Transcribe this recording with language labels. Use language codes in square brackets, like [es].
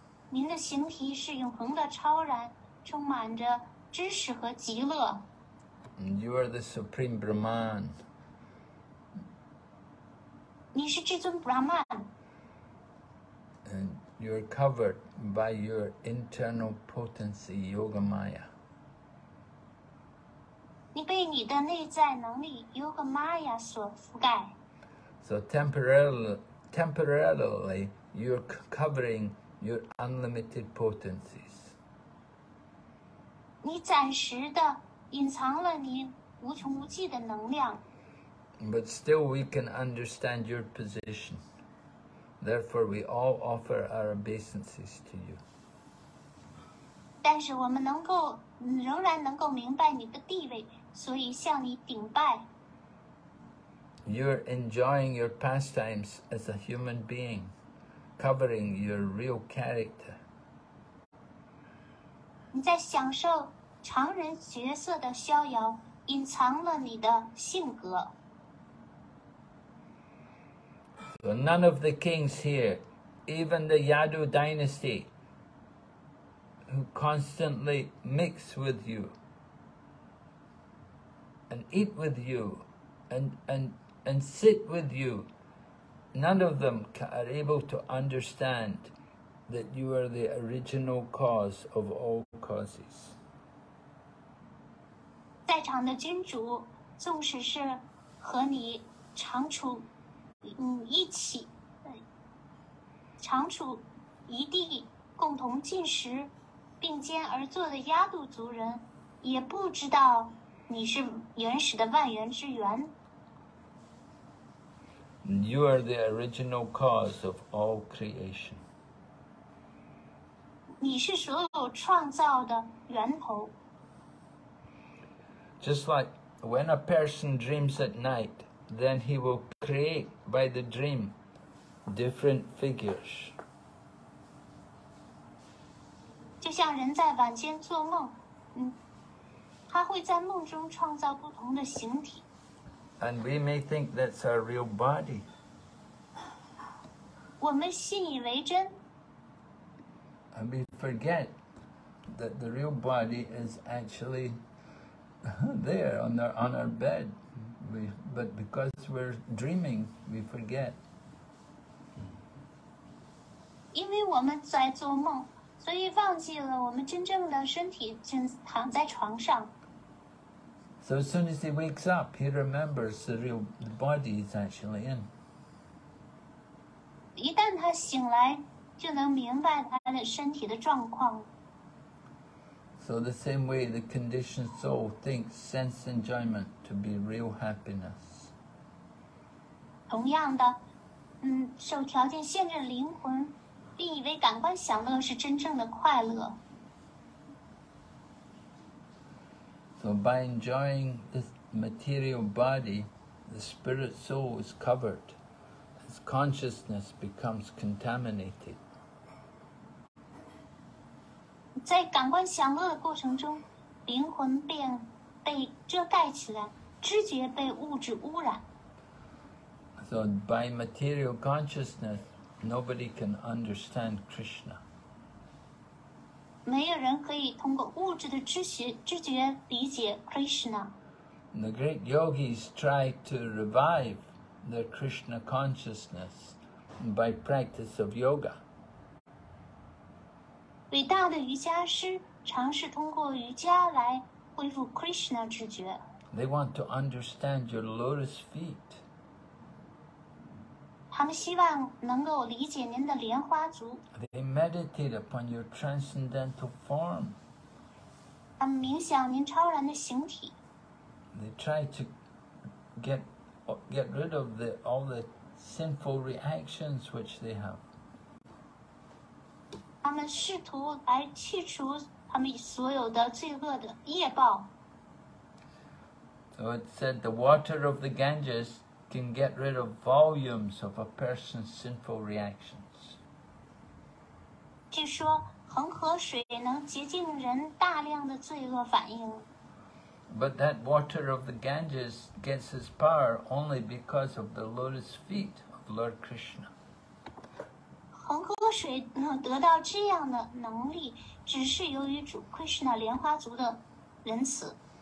[zh] 您的形体是永恒的超然，充满着知识和极乐。 [en] And you are the Supreme Brahman. [zh] 你是至尊 Brahman。 [en] And you are covered by your internal potency, Yoga Maya. [zh] 你被你的内在能力 Yoga Maya 所覆盖。 [en] So temporarily, you're covering your unlimited potencies. [zh] 你暂时的隐藏了你无穷无尽的能量。 [en] But still, we can understand your position. Therefore, we all offer our obeisances to you. [zh] 但是我们能够仍然能够明白你的地位，所以向你顶拜。 [en] You're enjoying your pastimes as a human being, covering your real character. [zh] 你在享受常人角色的逍遥，隐藏了你的性格。 [en] So none of the kings here, even the Yadu dynasty, who constantly mix with you and eat with you and sit with you, none of them are able to understand that you are the original cause of all causes. [zh] 在场的君主，纵使是和你长处一起长处一地共同进食并肩而坐的亚度族人，也不知道你是原始的万源之源。 [en] You are the original cause of all creation. [zh] 你是所有创造的源头。 [en] Just like when a person dreams at night, then he will create by the dream different figures. [zh] 就像人在晚间做梦，他会在梦中创造不同的形体。 [en] And we may think that's our real body. [zh] 我们信以为真。 [en] And we forget that the real body is actually there on our bed. But because we're dreaming, we forget. [zh] 因为我们在做梦。所以忘记了我们真正的身体正躺在床上。 [en] So as soon as he wakes up, he remembers the real body he's actually in. [zh] 一旦他醒来，就能明白他的身体的状况。 [en] So the same way the conditioned soul thinks sense enjoyment to be real happiness. [zh] 同样的，受条件限制灵魂并以为感官享乐是真正的快乐。 [en] So by enjoying this material body, the spirit soul is covered, its consciousness becomes contaminated. [zh] 在感官享乐的过程中，灵魂便被遮盖起来，知觉被物质污染。 [en] So by material consciousness,Nobody can understand Krishna. [zh] 没有人可以通过物质的知觉理解 Krishna. [en] And the great yogis try to revive their Krishna consciousness by practice of yoga. [zh] 伟大的瑜伽师尝试通过瑜伽来恢复 Krishna 知觉。 [en] They want to understand your lotus feet. [zh] 他们希望能够理解您的莲花足。 [en] They meditate upon your transcendental form. [zh] 他们冥想您超然的形体。 [en] They try to get rid of all the sinful reactions which they have. [zh] 他们试图来去除他们所有的罪恶的业报。 [en] So it said the water of the Ganges. Can get rid of volumes of a person's sinful reactions. [zh] 据说恒河水能洁净人大量的罪恶反应。 [en] But that water of the Ganges gets its power only because of the lotus feet of Lord Krishna. [zh] 恒河水能得到这样的能力，只是由于主 Krishna 莲花足的仁慈。